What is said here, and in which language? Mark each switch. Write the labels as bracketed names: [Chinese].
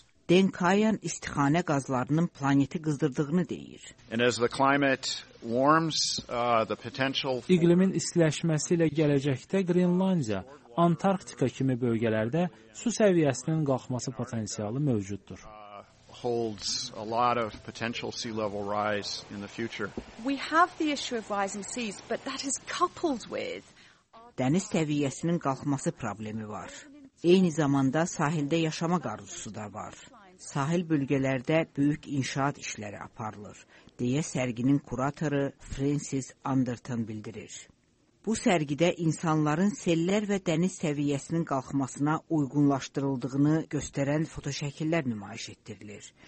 [Azerbaijani] Dan Kayan istixana qazlarının planeti qızdırdığını deyir. İqlimin istiləşməsi ilə gələcəkdə Qrinlandiya, Antarktika kimi bölgələrdə su səviyyəsinin qalxması potensialı mövcuddur. [English] Holds a lot of potential sea level rise in the future. We have the issue of rising seas, but that is coupled with [Azerbaijani] dəniz səviyyəsinin qalxması problemi var. Eyni zamanda sahildə yaşama qarşısı da var. Sahil bölgələrdə böyük inşaat işləri aparılır, deyə sərginin kuratoru Francis Anderton bildirir. Bu sərgidə insanların sellər və dəniz səviyyəsinin qalxmasına uyğunlaşdırıldığını göstərən fotoşəkillər nümayiş etdirilir.